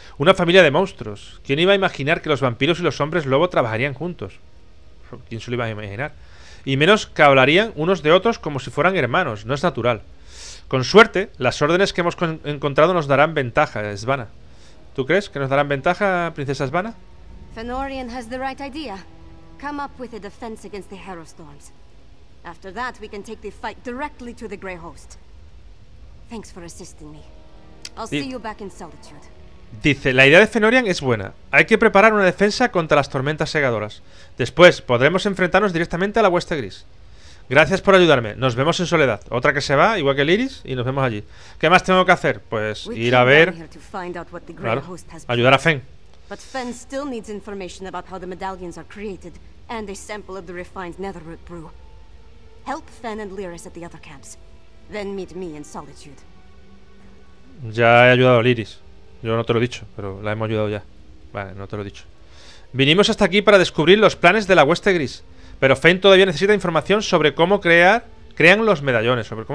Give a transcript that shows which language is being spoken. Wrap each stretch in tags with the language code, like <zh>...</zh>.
<es>Una familia de monstruos. ¿Quién iba a imaginar que los vampiros y los hombres lobo trabajarían juntos? ¿Quién se lo iba a imaginar? Y menos que hablarían unos de otros como si fueran hermanos. No es natural. Con suerte, las órdenes que hemos encontrado nos darán ventaja, Svana. ¿Tú crees que nos darán ventaja, princesa Svana?</es> <en>Fenorian has the right idea. Come up with a defense against the Harrowstorms. After that, we can take the fight directly to the Grey Host. Thanks for assisting me. I'll see you back in Solitude.</en> <es>Dice, la idea de Fenorian es buena. Hay que preparar una defensa contra las tormentas segadoras. Después, podremos enfrentarnos directamente a la hueste gris. Gracias por ayudarme. Nos vemos en Soledad. Otra que se va, igual que Liris, y nos vemos allí. ¿Qué más tengo que hacer? Pues ir a ver... Claro, ayudar a Fen.</es> <en>But Fen still needs information about how the medallions are created and a sample of the refined netherroot brew. Help Fen and Liris at the other camps. Then meet me in Solitude.</en> <es>Ya he ayudado a Liris. Yo no te lo he dicho, pero la hemos ayudado ya. Vale, no te lo he dicho. Vinimos hasta aquí para descubrir los planes de la hueste gris. Pero Fen todavía necesita información sobre cómo crean los medallones.</es>